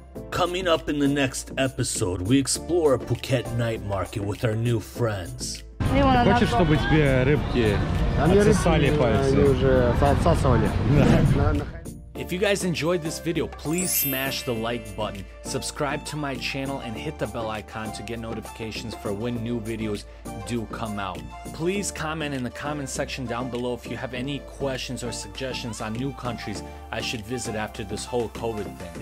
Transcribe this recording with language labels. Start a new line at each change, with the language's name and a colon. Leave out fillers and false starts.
English: Coming up in the next episode, we explore a Phuket night market with our new friends.
Russian: Ты хочешь, чтобы тебе рыбки отсосали пальцы? Они уже отсосали.
English: If you guys enjoyed this video, please smash the like button, subscribe to my channel, and hit the bell icon to get notifications for when new videos do come out. Please comment in the comment section down below if you have any questions or suggestions on new countries I should visit after this whole COVID thing.